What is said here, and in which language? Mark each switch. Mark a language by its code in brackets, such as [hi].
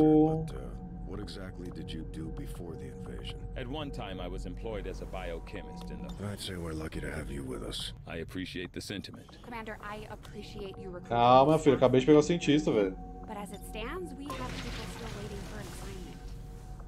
[en] What exactly did you do before the invasion? At one time, I was employed as a biochemist in the... I'd say we're lucky to have you with us. I appreciate the sentiment. Commander, I appreciate your recruitment. [pt] Calma, filho, acabei de pegar o cientista, velho. [en] But as it stands, we have people still waiting for assignment.